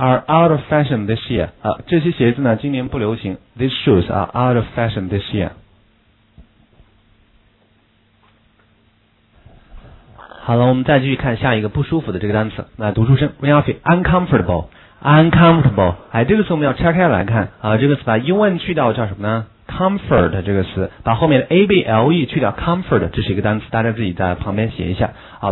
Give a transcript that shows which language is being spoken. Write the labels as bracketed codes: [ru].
[zh] 啊，这些鞋子呢，今年不流行。 [en] These shoes are out of fashion this year. [zh] 好了，我们再继续看下一个不舒服的这个单词。那读出声 ， [en] we are uncomfortable。 [zh] 哎，这个词我们要拆开来看啊，这个词把 un 去掉叫什么呢 ？comfort 这个词，把后面的 able 去掉 ，comfort 这是一个单词，大家自己在旁边写一下啊。